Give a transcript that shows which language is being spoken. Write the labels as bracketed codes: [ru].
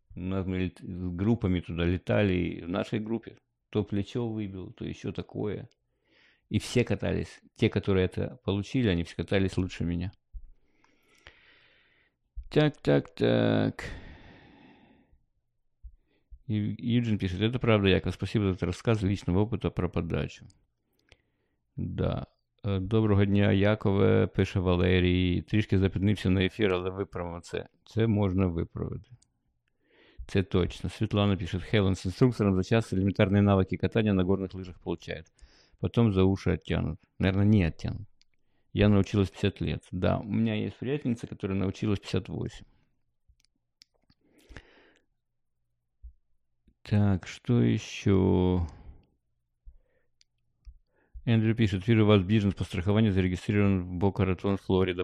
[ru] У нас мы с группами туда летали, и в нашей группе то плечо выбил, то еще такое. И все катались. Те, которые это получили, они все катались лучше меня. Так. Юджин пишет, это правда, Яков, спасибо за этот рассказ личного опыта про подачу. Да. [uk] Доброго дня, Якове, пише Валерій. Трішки запізнився на ефір, але виправимо це. Це можна виправити. Це точно. Світлана пише, Хелен, з інструктором за час елементарні навики катання [ru] на горних лижах получает. Потом за уши оттянут. Наверное, не оттянут. Я научилась 50 лет. Да, у меня есть приятельница, которая научилась 58. Так, что еще? Эндрю пишет, вижу, у вас бизнес по страхованию зарегистрирован в Бока-Ратон, Флорида.